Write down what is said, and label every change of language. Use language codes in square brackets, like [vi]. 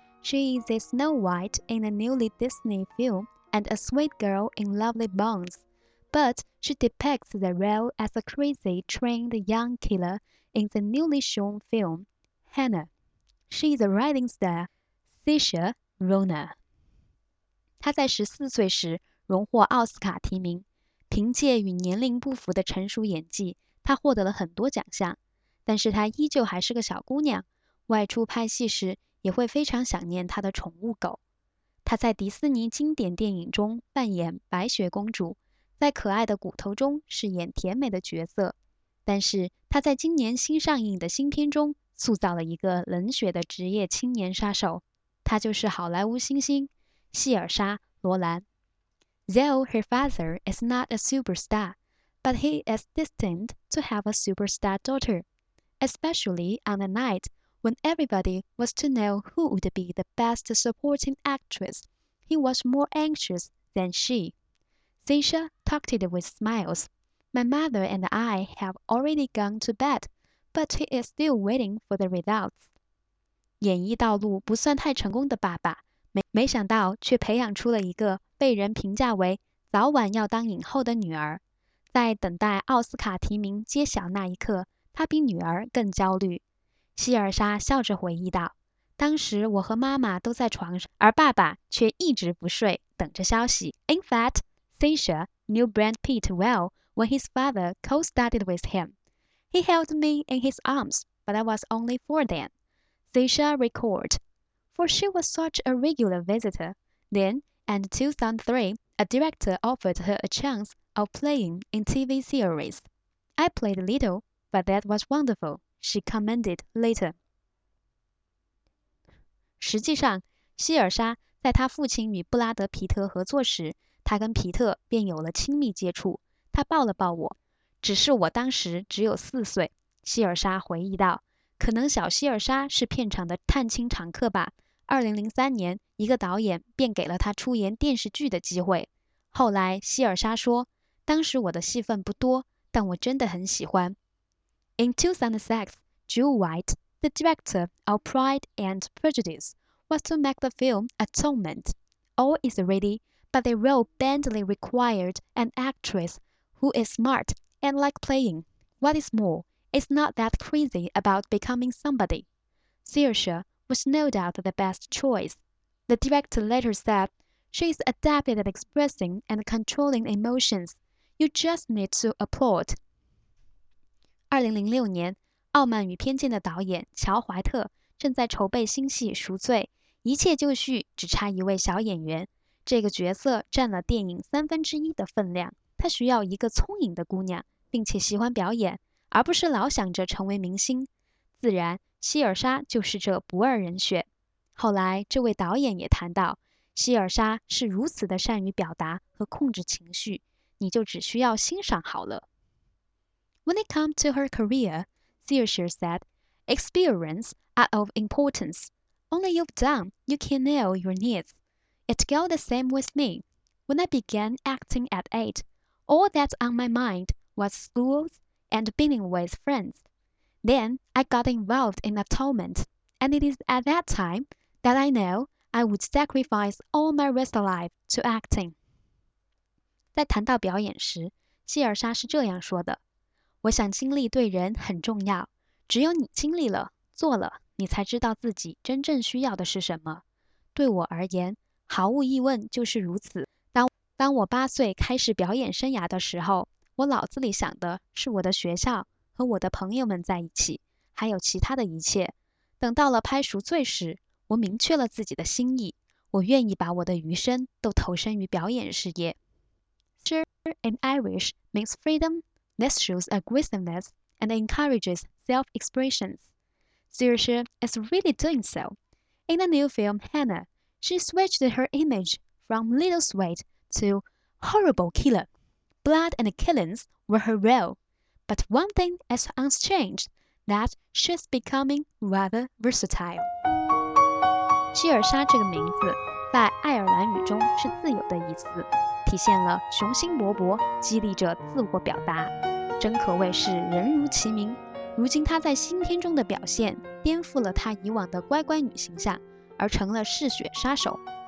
[en] She is a Snow White in a newly Disney film and a sweet girl in Lovely Bones. But she depicts the role as a crazy trained young killer in the newly shown film, Hannah. She is a rising star, Saoirse Ronan. [zh] 她在14岁时荣获奥斯卡提名，凭借与年龄不符的成熟演技，她获得了很多奖项。但是她依旧还是个小姑娘，外出拍戏时也会非常想念她的宠物狗。她在迪士尼经典电影中扮演白雪公主，在可爱的骨头中饰演甜美的角色，但是她在今年新上映的新片中塑造了一个冷血的职业青年杀手，她就是好莱坞新星谢尔莎·罗兰。 [en] Though her father is not a superstar, but he is destined to have a superstar daughter, especially on the night when everybody was to know who would be the best supporting actress. He was more anxious than she. Saoirse talked it with smiles. My mother and I have already gone to bed, but he is still waiting for the results. [zh] 演艺道路不算太成功的爸爸，没想到却培养出了一个被人评价为早晚要当影后的女儿。在等待奥斯卡提名揭晓那一刻，她比女儿更焦虑。希尔莎笑着回忆道，当时我和妈妈都在床上，而爸爸却一直不睡，等着消息。 [en] In fact, Saoirse knew Brad Pitt well when his father co-starred with him. He held me in his arms, but I was only four then. Saoirse recalled, for she was such a regular visitor. Then, in 2003, a director offered her a chance of playing in TV series. I played little, but that was wonderful. She commented later. [zh] 实际上，希尔莎在她父亲与布拉德皮特合作时，她跟皮特便有了亲密接触。她抱了抱我，只是我当时只有四岁。希尔莎回忆道：“可能小希尔莎是片场的探亲常客吧。 2003年，一个导演便给了她出演电视剧的机会。后来，希尔莎说，当时我的戏份不多，但我真的很喜欢。” [en] In 2006, Jewel White, the director of Pride and Prejudice, was to make the film Atonement. All is ready, but the role badly required an actress who is smart and like playing. What is more, is not that crazy about becoming somebody. Saoirse was no doubt the best choice. The director later said, she is adept at expressing and controlling emotions. You just need to applaud. [zh] 2006年，《傲慢与偏见》的导演乔·怀特正在筹备新戏《赎罪》，一切就绪，只差一位小演员。这个角色占了电影三分之一的分量，他需要一个聪颖的姑娘，并且喜欢表演，而不是老想着成为明星。自然，希尔莎就是这不二人选。后来，这位导演也谈到，希尔莎是如此的善于表达和控制情绪，你就只需要欣赏好了。 [en] When it comes to her career, Saoirse said, experience are of importance. Only you've done, you can know your needs. It goes the same with me. When I began acting at 8, all that's on my mind was schools and being with friends. Then I got involved in Atonement, and it is at that time that I know I would sacrifice all my rest of life to acting. [zh] 在谈到表演时，谢尔莎是这样说的。我想经历对人很重要，只有你经历了，做了，你才知道自己真正需要的是什么。对我而言，毫无疑问就是如此。当我八岁开始表演生涯的时候，我脑子里想的是我的学校和我的朋友们在一起，还有其他的一切。等到了拍《赎罪》时，我明确了自己的心意，我愿意把我的余生都投身于表演事业。 [en] Sure, in Irish means freedom. This shows aggressiveness and encourages self-expression. Saoirse is really doing so. In the new film Hannah, she switched her image from little sweet to horrible killer. Blood and killings were her role. But one thing is unchanged, that she's becoming rather versatile. [zh] 希尔莎这个名字在爱尔兰语中是自由的意思，体现了雄心勃勃，激励着自我表达，真可谓是人如其名。如今她在新片中的表现颠覆了她以往的乖乖女形象，而成了嗜血杀手。